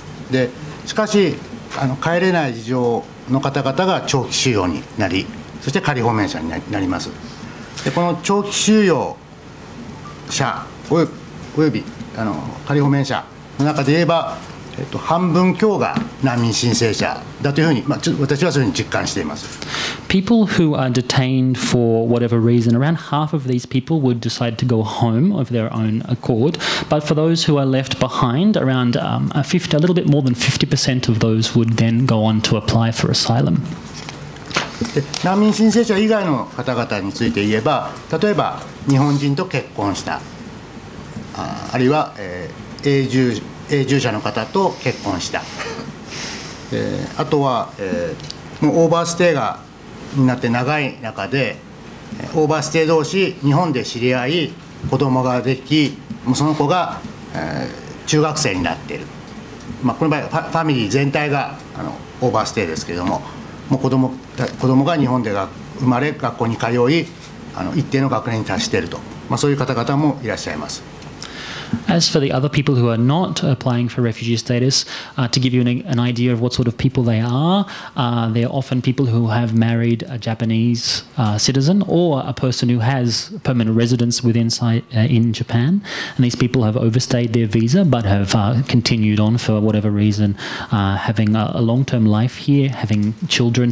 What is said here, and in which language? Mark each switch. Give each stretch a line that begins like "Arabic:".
Japanese: で、しかし、帰れない事情の方々が長期収容になり、そして仮放免者になります。でこの長期収容者および仮放免者の中で言えば、半分強が難民申請者だというふうに、私はそういうふうに実感しています。
English: People who are detained for whatever reason, around half of these people would decide to go home of their own accord. But for those who are left behind, around a little bit more than 50% of those would then go on to apply for asylum.
Japanese: 難民申請者以外の方々について言えば、例えば日本人と結婚した、あるいは、永住者の方と結婚した、あとは、もうオーバーステイがになって長い中で、オーバーステイ同士日本で知り合い子供ができ、もうその子が、中学生になっている、まあ、この場合ファミリー全体がオーバーステイですけれども、もう子供が日本で生まれ学校に通い一定の学年に達していると、まあ、そういう方々もいらっしゃいます。
English: As for the other people who are not applying for refugee status, to give you an idea of what sort of people they are, they're often people who have married a Japanese citizen or a person who has permanent residence in Japan. And these people have overstayed their visa but have continued on for whatever reason, having a long-term life here, having children.